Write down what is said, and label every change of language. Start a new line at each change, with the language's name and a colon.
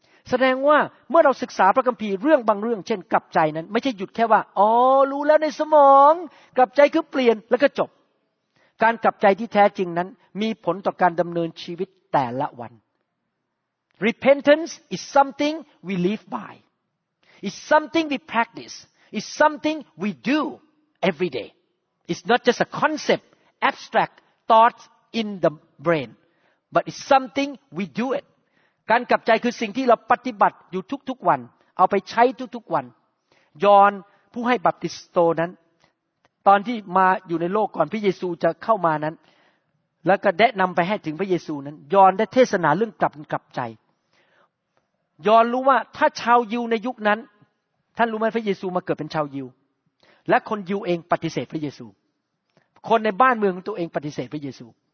Thai: แสดงว่าเมื่อเราศึกษาพระคัมภีร์เรื่องบางเรื่องเช่นกลับใจนั้นไม่ใช่หยุดแค่ว่าอ๋อรู้แล้วในสมองกลับใจคือเปลี่ยนแล้วก็จบการกลับใจที่แท้จริงนั้นมีผลต่อการดำเนินชีวิตแต่ละวัน
English: repentance is something we live byIt's something we practice. It's something we do every day. It's not just a concept, abstract thought in the brain. But it's something we do it.
Thai: การกลับใจคือสิ่งที่เราปฏิบัติอยู่ทุกๆวันเอาไปใช้ทุกๆวันยอห์นผู้ให้บัพติสโตนั้นตอนที่มาอยู่ในโลกก่อนพระเยซูจะเข้ามานั้นแล้วก็แนะนำไปให้ถึงพระเยซูนั้นยอห์นได้เทศนาเรื่องกลับใจยอนรู้ว่าถ้าชาวยิวในยุคนั้นท่านรู้ไหมพระเยซูมาเกิดเป็นชาวยิวและคนยิวเองปฏิเสธพระเยซูคนในบ้านเมืองของตัวเองปฏิเสธพระเยซู